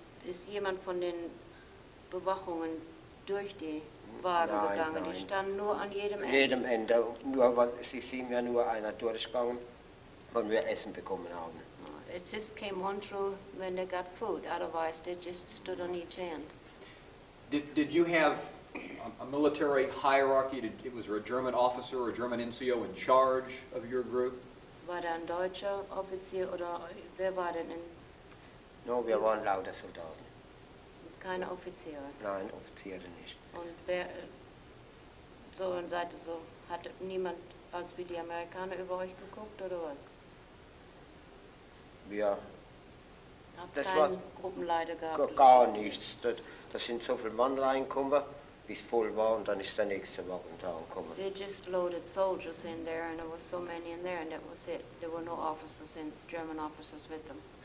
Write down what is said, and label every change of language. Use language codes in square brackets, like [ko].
[de] Ist jemand von den Bewachungen durch die Wagen gegangen? Nein. Die standen nur an jedem Ende. Jedem Ende. Nur, weil sie sehen ja nur einer durchgegangen, wenn wir Essen bekommen haben. [en] It just came on through when they got food. Otherwise, they just stood on each end. Did you have a military hierarchy? Was there a German officer or a German NCO in charge of your group? [de] War da ein deutscher Offizier oder wer war denn in? No, wir waren lauter Soldaten. Keine Offiziere? Nein, Offiziere nicht. Und wer, so eine Seite so, hat niemand als wie die Amerikaner über euch geguckt oder was? Wir. Ja. Das war Gruppenleiter gehabt? Gar nichts. Das sind so viele Mann reingekommen, bis voll war und dann ist der nächste Wagen da gekommen. [en] They just loaded soldiers in there and there were so many in there and that was it. There were no officers in, German officers with them.